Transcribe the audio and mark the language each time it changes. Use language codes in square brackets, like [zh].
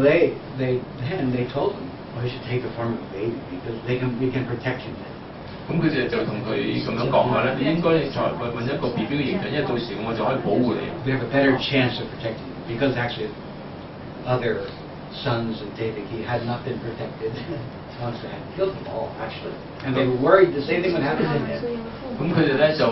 [en] they told him, "Oh, you should take the form of a baby because we can protect you." [yue] 咁佢就同佢咁樣講話咧，你應該再揾一個 BB 嘅形象，因為到時我就可以保護你。 [en] We have a better chance of protecting you because actually. Other sons of Devaki had not been protected. Kamsa had killed them all, actually. And they were worried the same thing would happen to him.